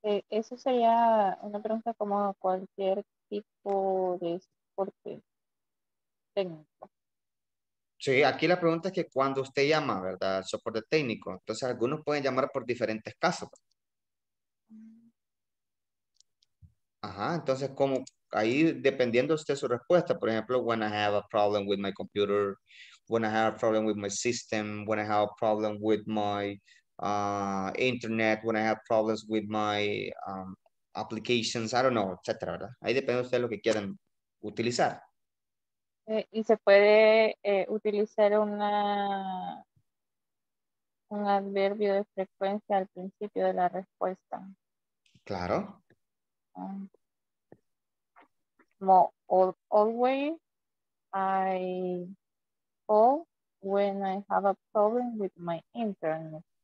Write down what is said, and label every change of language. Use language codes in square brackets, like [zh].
[es] Eso sería una pregunta como a cualquier tipo de soporte técnico. Sí, aquí la pregunta es que cuando usted llama, ¿verdad? El soporte técnico. Entonces, algunos pueden llamar por diferentes casos. Ajá, entonces, como ahí dependiendo usted su respuesta. Por ejemplo, [en] when I have a problem with my computer, when I have a problem with my system, when I have a problem with my internet, when I have problems with my applications, I don't know, etc. [es] Ahí depende de usted lo que quieran utilizar. Y se puede utilizar un adverbio de frecuencia al principio de la respuesta. Claro. [en] Como always, I call when I have a problem with my internet.